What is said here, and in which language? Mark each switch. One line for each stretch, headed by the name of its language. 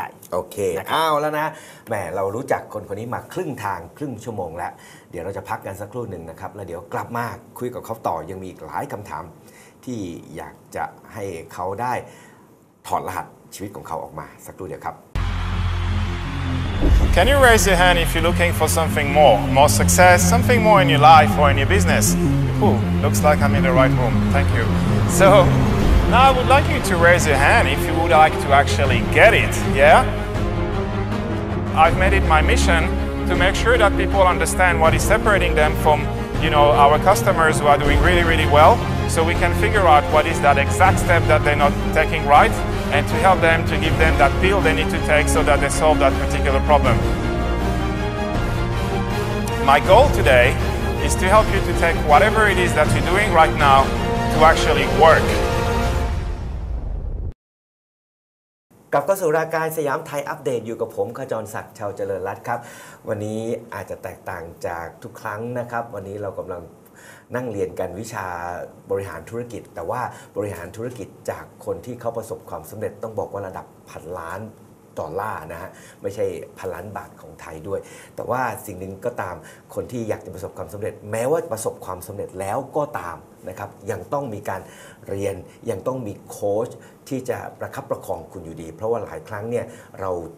Thai: โอเคอ้าวแล้วนะแหมเรารู้จักคนคนนี้มาครึ่งทางครึ่งชั่วโมงแล้วเดี๋ยวเราจะพักกันสักครู่นึงนะครับแล้วเดี๋ยวกลับมาคุยกับเขาต่อยังมีอีกหลายคำถามที่อยากจะให้เขาได้ถอดรหัสชีวิตของเขาออกมาสักครู่เดียวครับ
English: Can you raise your hand if you're looking for something more success something more in your life or in your business Ooh, looks like I'm in the right room thank you So now I would like you to raise your hand if you would like to actually get it yeah I've made it my mission to make sure that people understand what is separating them from you know our customers who are doing really really well so we can figure out what is that exact step that they're not taking rightand to help them, to give them that pill they need to take so that they solve that particular problem. My goal today is to help you to take whatever it is that you're doing right now to actually work.
Thai: กลับเข้าสู่รายการสยามไทยอัปเดตอยู่กับผมขจรศักดิ์ชาวเจริญรัตน์ครับวันนี้อาจจะแตกต่างจากทุกครั้งนะครับวันนี้เรากำลังนั่งเรียนกันวิชา บริหารธุรกิจแต่ว่าบริหารธุรกิจจากคนที่เขาประสบความสำเร็จต้องบอกว่าระดับพันล้านดอลลาร์นะฮะไม่ใช่พันล้านบาทของไทยด้วยแต่ว่าสิ่งหนึ่งก็ตามคนที่อยากจะประสบความสำเร็จแม้ว่าประสบความสำเร็จแล้วก็ตามนะครับยังต้องมีการเรียนยังต้องมีโค้ชที่จะประคับประคองคุณอยู่ดีเพราะว่าหลายครั้งเนี่ยเรา